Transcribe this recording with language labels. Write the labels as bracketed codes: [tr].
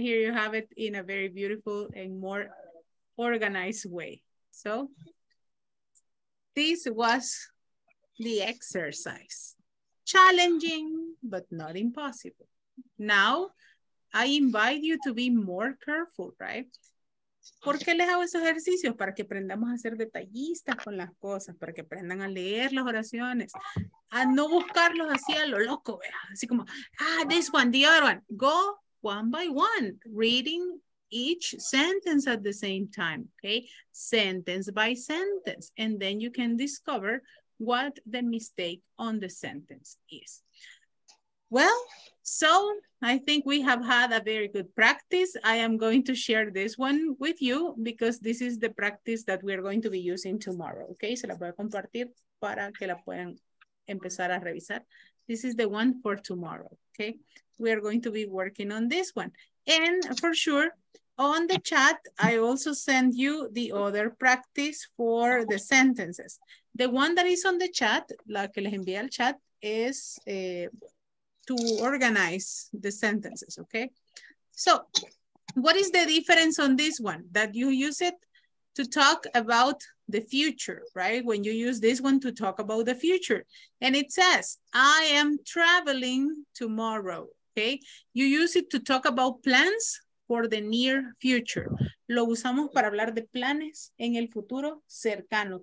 [en] Here you have it in a very beautiful and more organized way. So this was the exercise. Challenging, but not impossible. Now, I invite you to be more careful, right? [es] ¿Por qué les hago esos ejercicios? Para que aprendamos a ser detallistas con las cosas, para que aprendan a leer las oraciones, a no buscarlos así a lo loco, ¿verdad? Así como, [en] ah, this one, the other one. Go one by one, reading each sentence at the same time, okay? Sentence by sentence, and then you can discover what the mistake on the sentence is. Well, so I think we have had a very good practice. I am going to share this one with you because this is the practice that we are going to be using tomorrow. [es] Okay, se la voy a compartir para que la puedan empezar a revisar. [en] This is the one for tomorrow, okay? We are going to be working on this one. And for sure, on the chat, I also send you the other practice for the sentences. The one that is on the chat, [es] la que les envía al chat, es... [en] to organize the sentences, okay? So, what is the difference on this one? That you use it to talk about the future, right? When you use this one to talk about the future. And it says, I am traveling tomorrow, okay? You use it to talk about plans for the near future. [es] Lo usamos para hablar de planes en el futuro cercano.